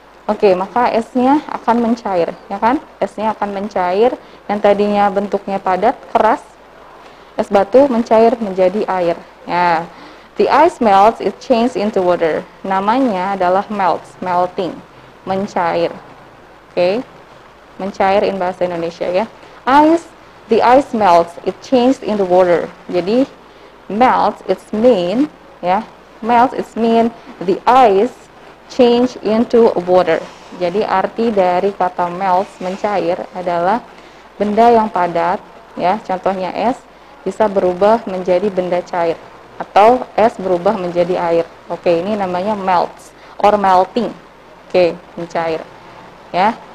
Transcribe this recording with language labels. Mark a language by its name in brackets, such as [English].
[Indonesian] Oke, okay, maka esnya akan mencair, ya kan? Esnya akan mencair, yang tadinya bentuknya padat, keras, es batu mencair menjadi air. Ya, yeah. [English] The ice melts, it changes into water. [Indonesian] Namanya adalah [English] melts, melting, mencair. [Indonesian] Oke, okay. Mencair in bahasa Indonesia ya. [English] Ice, the ice melts, it changes into water. Jadi, melts, it's mean, ya. Yeah. Melts, it's mean the ice change into water. [Indonesian] Jadi arti dari kata melts, mencair, adalah benda yang padat, ya, contohnya es, bisa berubah menjadi benda cair, atau es berubah menjadi air. Oke, ini namanya melts or melting. Oke, mencair. Ya.